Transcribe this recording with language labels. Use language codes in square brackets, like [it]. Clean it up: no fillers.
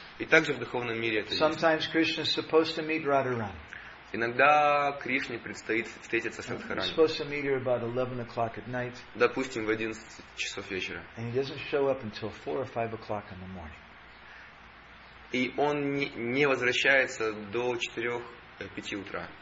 [ru] И также в духовном мире это. [en] Sometimes Krishna is supposed to meet Radharani. [ru] Иногда Кришне предстоит встретиться с Радхарани. [en] He's supposed to meet her about 11 o'clock at night. [ru] Допустим, в 11 часов вечера. [en] And he doesn't show up until 4 or 5 o'clock in the morning. [ru] И он не возвращается до 4-5 утра.